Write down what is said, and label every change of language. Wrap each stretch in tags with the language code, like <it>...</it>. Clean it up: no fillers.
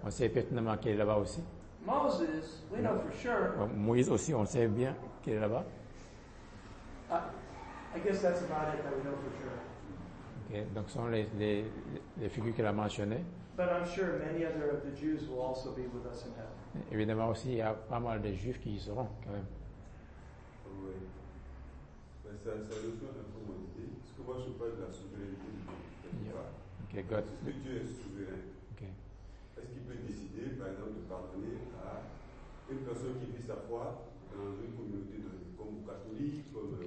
<fr>On sait pertinemment qu'il est là-bas aussi.</fr> <en>Moses, we know for sure.</en> <fr>Moïse aussi, on sait bien qu'il est là-bas.</fr> <en>I guess that's about it that we know for sure.</en> <fr>Okay, donc ce sont les figures qu'il a mentionnées.</fr> <en>But I'm sure many other of the Jews will also be with us in heaven.</en> <fr>Évidemment aussi, il y a pas mal de Juifs qui y seront, quand même. Oui. Mais ça a le fait une commodité. Parce que moi, je parle de la souveraineté de Dieu.</fr> <en>Yeah. Okay, God.</en> <fr>Est-ce que Dieu est souverain?</fr> <en>Okay.</en> <fr>Est-ce qu'il peut décider, par exemple, de pardonner à une personne qui vit sa foi dans une communauté donnée, comme catholique, comme, okay.</fr>